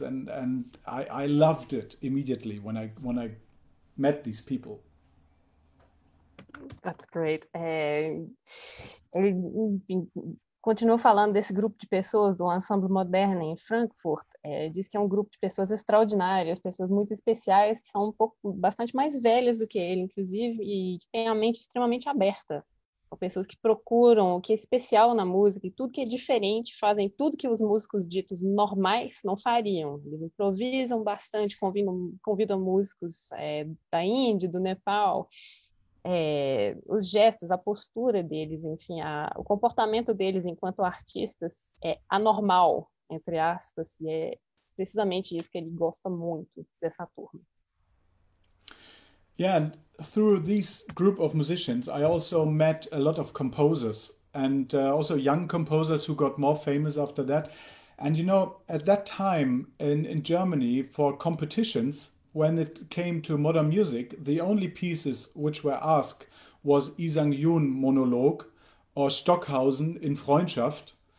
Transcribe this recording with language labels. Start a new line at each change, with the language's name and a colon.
English: And I loved it immediately when I met these people. That's great.
Portuguese: Ele continuou falando desse grupo de pessoas do Ensemble Moderne em Frankfurt. Diz que é um grupo de pessoas extraordinárias, pessoas muito especiais, que são um pouco, bastante mais velhas do que ele, inclusive, e que têm a mente extremamente aberta. São pessoas que procuram o que é especial na música e tudo que é diferente, fazem tudo que os músicos ditos normais não fariam. Eles improvisam bastante, convidam músicos da Índia, do Nepal. Os gestos, a postura deles, enfim, o comportamento deles enquanto artistas é anormal, entre aspas, e é precisamente isso que ele gosta muito dessa turma.
English: Yeah, and through this group of musicians, I also met a lot of composers, and also young composers who got more famous after that. And you know, at that time in Germany, for competitions, when it came to modern music, the only pieces which were asked was Isang Yun Monologue or Stockhausen in Freundschaft.